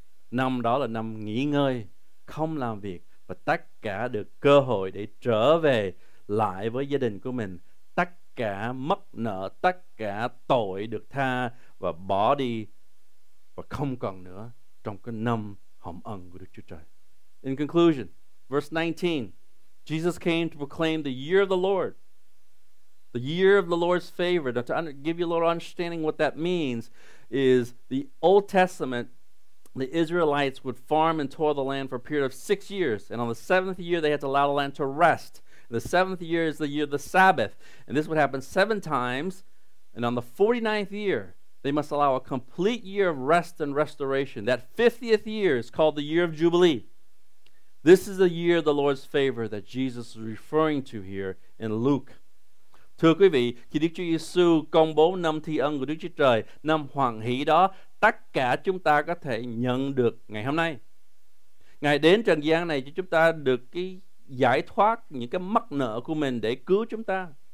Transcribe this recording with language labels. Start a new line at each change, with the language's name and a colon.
Vietnamese: Năm đó là năm nghỉ ngơi, không làm việc, và tất cả được cơ hội để trở về lại với gia đình của mình. Tất cả mất nợ, tất cả tội được tha và bỏ đi, và không còn nữa trong cái năm hồng ân của Đức Chúa Trời.
English: In conclusion, verse 19, Jesus came to proclaim the year of the Lord, the year of the Lord's favor. Now, to give you a little understanding what that means is the Old Testament, the Israelites would farm and toil the land for a period of 6 years. And on the seventh year, they had to allow the land to rest. And the seventh year is the year of the Sabbath. And this would happen 7 times. And on the 49th year, they must allow a complete year of rest and restoration. That 50th year is called the year of Jubilee. This is the year of the Lord's favor that Jesus is referring to here in Luke.
Vietnamese: Thưa quý vị, khi Đức Chúa Giêsu công bố năm tri ân của Đức Chúa Trời, năm hoàng hỷ đó, tất cả chúng ta có thể nhận được ngày hôm nay. Ngài đến trần gian này cho chúng ta được cái giải thoát những cái mắc nợ của mình để cứu chúng ta.